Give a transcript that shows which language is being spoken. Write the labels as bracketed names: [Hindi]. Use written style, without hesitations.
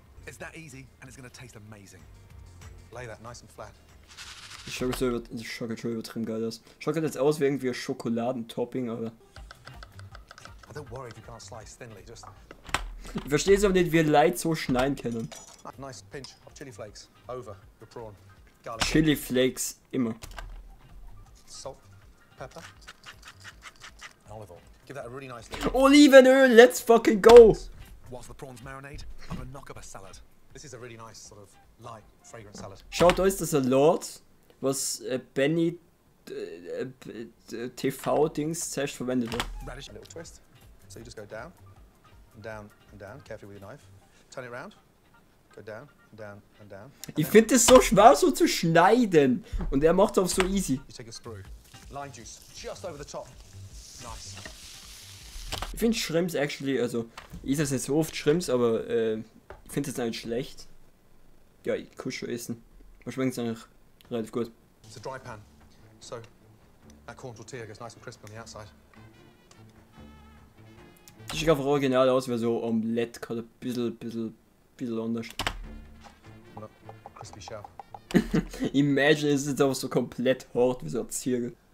[English] It's that easy and it's gonna taste amazing. Lay that nice and flat. [German] Das schaut so übertrieben geil aus. Schaut halt jetzt aus wie irgendwie Schokoladentopping, aber. [English] I don't worry if you can't slice thinly, just. [German] Ich verstehe es aber nicht, wie Leute so schneiden können. [English] Nice pinch of chili flakes over the prawn. Garlic. Chili flakes immer. Salt, pepper, olive oil. Give that a really nice little. Olivenöl, let's fucking go! What's the prawn's marinade? I'm a knock of a salad. This is a really nice sort of light, fragrant salad. [German] Schaut euch das an, Lord, was Benny TV-Dings zuerst verwendet hat. [English] Radish, a little twist. So you just go down. Down and down, carefully with your knife. Turn it around. Go down, down and down. [German] Ich finde es so schwer, so zu schneiden, und er macht es auch so easy. [English] You take a sprue. Lime juice, just over the top. Nice. [German] Ich finde Shrimps actually, also ich esse jetzt so oft Shrimps, aber ich finde es nicht schlecht. Ja, ich kann schon essen. Man schmeckt es eigentlich relativ gut. [English] It's a dry pan, so that corn tortilla gets nice and crispy on the outside. [German] Das sieht einfach original aus, wie so Omelette gerade ein bisschen anders. [English] Crispy shell. [German] Imagine, es ist jetzt einfach so komplett hart wie so ein Zirkel.